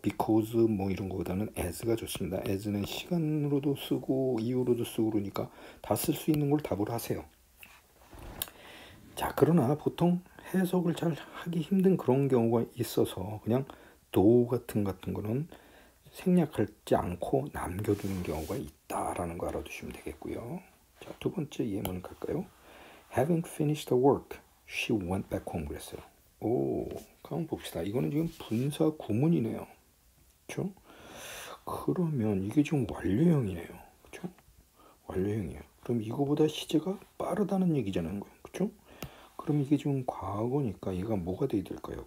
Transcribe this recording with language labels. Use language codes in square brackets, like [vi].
[ko] because 뭐 이런 것보다는 as가 좋습니다. as는 시간으로도 쓰고 이유로도 쓰고 그러니까 다 쓸 수 있는 걸 답으로 하세요. 자, 그러나 보통 해석을 잘 하기 힘든 그런 경우가 있어서 그냥 도우 같은 거는 생략하지 않고 남겨두는 경우가 있다라는 거 알아두시면 되겠고요. 자, 두 번째 예문 갈까요? [en] Having finished the work, she went back home [ko] 그랬어요. 오, 한번 봅시다. 이거는 지금 분사 구문이네요. 그렇죠? 그러면 이게 지금 완료형이네요. 그렇죠? 완료형이에요. 그럼 이거보다 시제가 빠르다는 얘기잖아요. 그렇죠? 그럼 이게 지금 과거니까 얘가 뭐가 돼야 될까요?